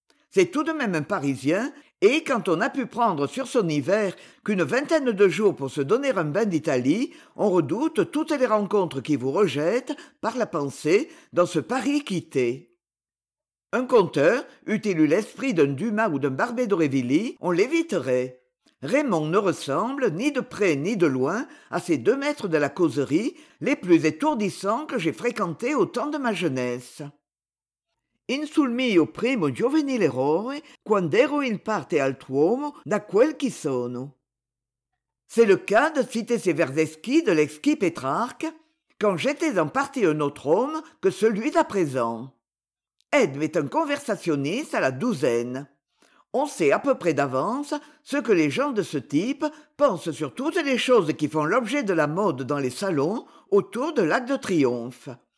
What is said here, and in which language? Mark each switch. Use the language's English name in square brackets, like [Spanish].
[French] C'est tout de même un Parisien et quand on a pu prendre sur son hiver qu'une 20aine de jours pour se donner un bain d'Italie, on redoute toutes les rencontres qui vous rejettent par la pensée dans ce Paris quitté. Un conteur, eût-il eu l'esprit d'un Dumas ou d'un Barbé d'Aurevilly, on l'éviterait. Raymond ne ressemble, ni de près ni de loin, à ces 2 mètres de la causerie, les plus étourdissants que j'ai fréquentés au temps de ma jeunesse. [Italian] Insulmi o primo giovenil errore, quand'ero in parte altruomo da quel qui sono. [French] C'est le cas de citer ces vers exquis de l'exquis Pétrarque, quand j'étais en partie un autre homme que celui d'à présent. Edme est un conversationniste à la douzaine. On sait à peu près d'avance ce que les gens de ce type pensent sur toutes les choses qui font l'objet de la mode dans les salons autour de l'Arc de Triomphe.